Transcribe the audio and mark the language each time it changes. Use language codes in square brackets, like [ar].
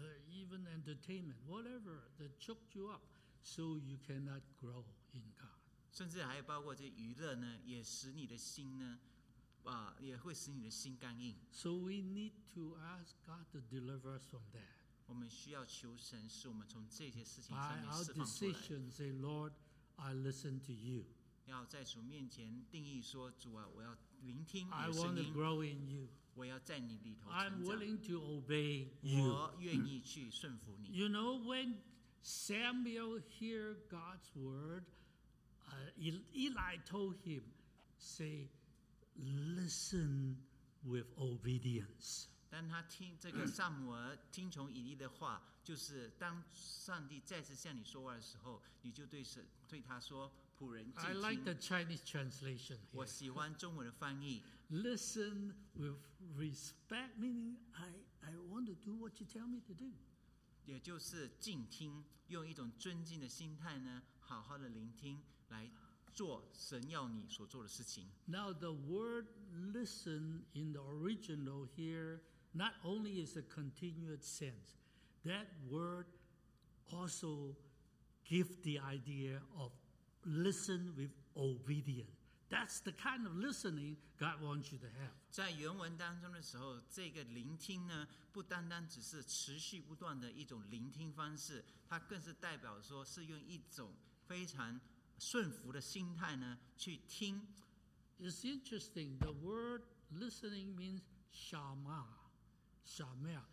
[en] Even entertainment, whatever that choked you up, so you cannot grow in God. [zh] 甚至还包括这娱乐呢，也使你的心呢，也会使你的心刚硬。 [en] So we need to ask God to deliver us from that. [zh] 我们需要求神使我们从这些事情上面释放出来。 [en] By our decision, say, Lord, I listen to you. [zh] 要在主面前定义说，主啊，我要聆听你的声音。 [en] I want to grow in you. [zh] 我要在你里头成长。 [en] I'm willing to obey you. [zh] 我愿意去顺服你。 [en] You know when Samuel hear God's word. Eli told him, say, listen with obedience. [zh] 当他听这个撒母耳听从以利的话，就是当上帝再次向你说话的时候，你就对他说，仆人静听。 [en] I like the Chinese translation. [zh] 我喜欢中文的翻译。 [en] Listen with respect, meaning I want to do what you tell me to do. [zh] 也就是静听，用一种尊敬的心态呢，好好的聆听。来做神要你所做的事情。 [en] Now the word listen in the original here not only is a continuous sense, that word also gives the idea of listen with obedience. That's the kind of listening God wants you to have. [zh] 在原文当中的时候，这个聆听呢，不单单只是持续不断的一种聆听方式，它更是代表说是用一种非常顺服的心态呢，去听。 [en] It's interesting. The word listening means shama, shamia.